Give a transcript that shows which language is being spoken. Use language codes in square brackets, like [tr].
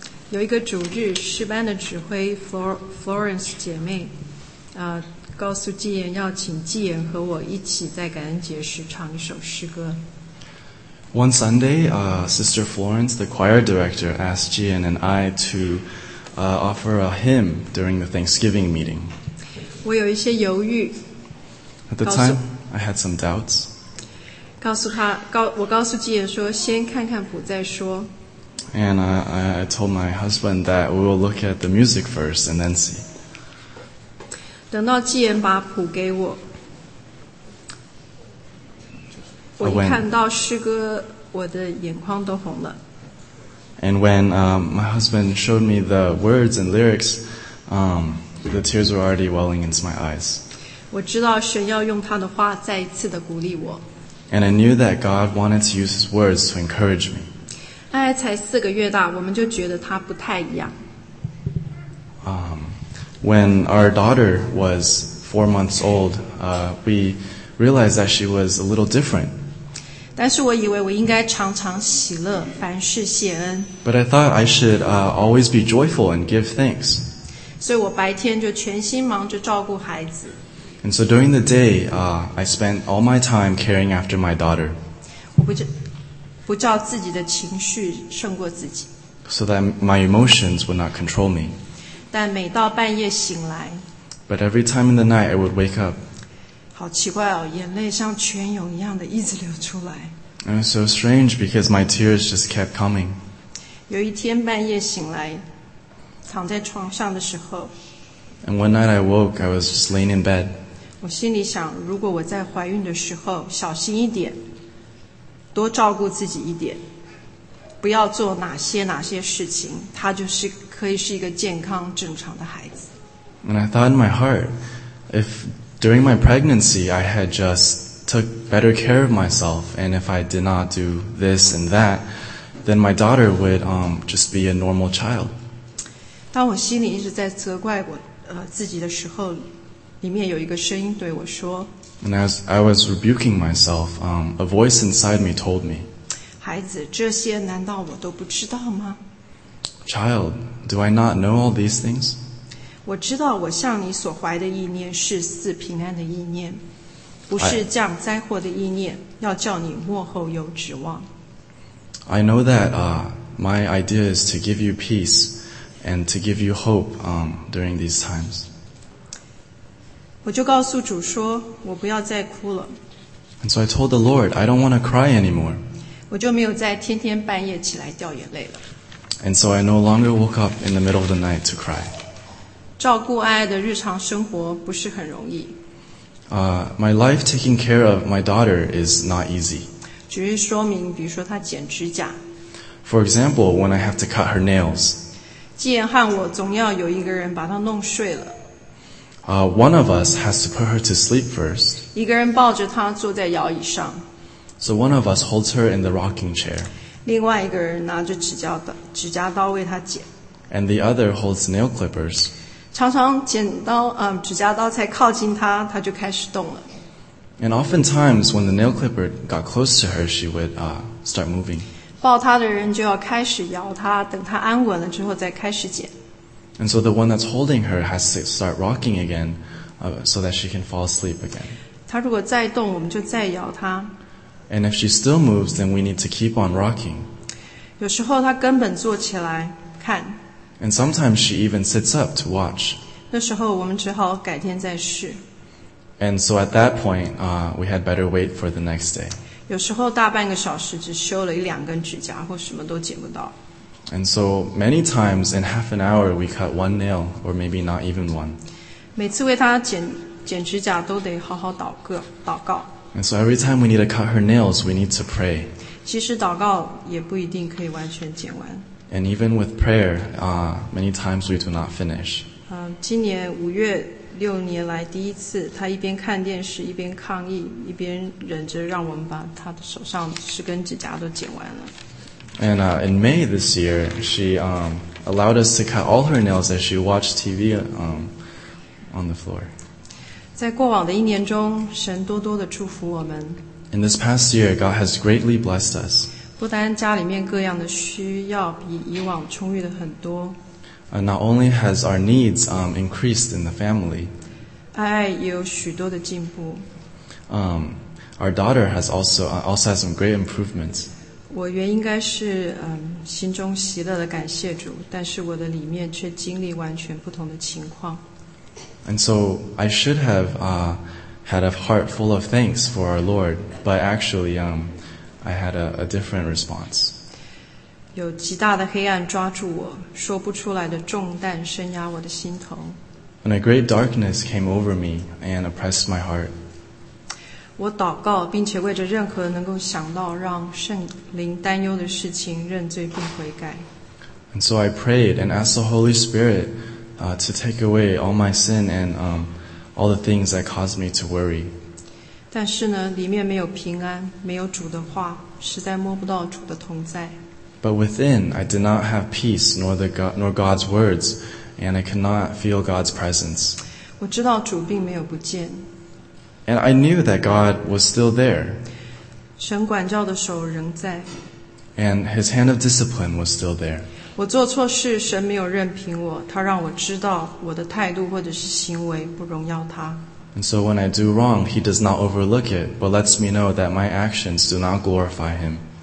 [zh] 有一个主日诗班的指挥 Florence 姐妹告诉纪言要请纪言和我一起在感恩节时唱一首诗歌。 [en] One Sunday, Sister Florence, the choir director, asked Jian and I to offer a hymn during the Thanksgiving meeting. [zh] 我有一些犹豫。 [en] At the time, I had some doubts. [zh] 我告诉纪言说先看看谱再说。 [en] And I told my husband that we will look at the music first and then see. [zh] 等到纪言把谱给我，我一看到诗歌，我的眼眶都红了。 [en] And when my husband showed me the words and lyrics, the tears were already welling into my eyes. [zh] 我知道神要用他的话再一次的鼓励我。 [en] And I knew that God wanted to use his words to encourage me. [zh] 大概才四个月大，我们就觉得他不太一样。 [en] When our daughter was 4 months old, we realized that she was a little different. [zh] 但是我以为我应该常常喜乐，凡事谢恩。 [en] But I thought I should always be joyful and give thanks. [zh] 所以我白天就全心忙着照顾孩子。 [en] And so during the day, I spent all my time caring after my daughter. [zh] 不照自己的情绪胜过自己。 [en] So that my emotions would not control me. [zh] 但每到半夜醒来。 [en] But every time in the night I would wake up. [zh] 好奇怪哦，眼泪像泉涌一样的一直流出来。 [en] And so strange because my tears just kept coming. [zh] 有一天半夜醒来，躺在床上的时候。 [en] And one night I woke, I was just laying in bed. [zh] 我心里想，如果我在怀孕的时候小心一点。多照顾自己一点，不要做哪些哪些事情，他就是可以是一个健康正常的孩子。 [en] And I thought in my heart, if During my pregnancy, I had just took better care of myself, and if I did not do this and that, then my daughter would just be a normal child. [zh] 当我心里一直在责怪我自己的时候，里面有一个声音对我说。 [en] And as I was rebuking myself, a voice inside me told me, [zh] 孩子，这些难道我都不知道吗？ [en] Child, do I not know all these things? [zh] 我知道我向你所怀的意念是赐平安的意念，不是降灾祸的意念，要叫你末后有指望。 [en] I know that my idea is to give you peace and to give you hope during these times. [zh] 我就告诉主说，我不要再哭了。 [en] And so I told the Lord, I don't want to cry anymore. [zh] 我就没有再天天半夜起来掉眼泪了。 [en] And so I no longer woke up in the middle of the night to cry. [zh] 照顾爱的日常生活不是很容易。 [en] My life taking care of my daughter is not easy. [zh] 举例说明，比如说她剪指甲。 [en] For example, when I have to cut her nails. [zh] 既然和我总要有一个人把她弄睡了。 [en] One of us has to put her to sleep first. [zh] 一个人抱着她坐在摇椅上。 [en] So one of us holds her in the rocking chair. [zh] 另外一个人拿着指甲刀为她剪。 [en] And the other holds nail clippers. [zh] 常常剪刀指甲刀才靠近她，她就开始动了。 [en] And oftentimes, when the nail clipper got close to her, she would start moving. [zh] 抱她的人就要开始摇她，等她安稳了之后再开始剪。 [en] And so the one that's holding her has to start rocking again, so that she can fall asleep again. [zh] 她如果再动，我们就再摇她。 [en] And if she still moves, then we need to keep on rocking. [zh] 有时候她根本坐起来看。 [en] And sometimes she even sits up to watch. [zh] 那时候我们只好改天再试。 [en] And so at that point, we had better wait for the next day. [zh] 有时候大半个小时只修了一两根指甲，或什么都剪不到。 [en] And so many times in half an hour, we cut one nail, or maybe not even one. [zh] 每次为她剪指甲都得好好祷告。 [en] And so every time we need to cut her nails, we need to pray. [zh] 其实祷告也不一定可以完全剪完。 [en] And even with prayer, many times we do not finish. [zh] 今年五月六年来第一次，他一边看电视一边抗议，一边忍着让我们把他的手上十根指甲都剪完了。 [en] And in May this year, she allowed us to cut all her nails as she watched TV on the floor. [zh] 在过往的一年中，神多多的祝福我们。 [en] In this past year, God has greatly blessed us. [zh] 不单家里面各样的需要比以往充裕的很多。 [en] Not only has our needs increased in the family, [zh] 爱也有许多的进步。 [en] Our daughter has also had some great improvements. [zh] 我原应该是心中喜乐的感谢主，但是我的里面却经历完全不同的情况。 [en] And so I should have had a heart full of thanks for our Lord, but actually, I had a different response. [zh] 有极大的黑暗抓住我，说不出来的重担深压我的心头。 [en] And a great darkness came over me and oppressed my heart. [zh] 我祷告，并且为着任何能够想到让圣灵担忧的事情认罪并悔改。 [en] And so I prayed and asked the Holy Spirit to take away all my sin and all the things that caused me to worry. [zh] 但是呢，里面没有平安，没有主的话，实在摸不到主的同在。 [en] But within, I did not have peace, nor God's words, and I cannot feel God's presence. [zh] 我知道主并没有不见。 [en] And I knew that God was still there. [zh] 神管教的手仍在。 [en] And His hand of discipline was still there. [zh] 我做错事，神没有任凭我，他让我知道我的态度或者是行为不荣耀他。 [en] And so when I do wrong, he does not overlook it, but lets me know that my actions do not glorify him.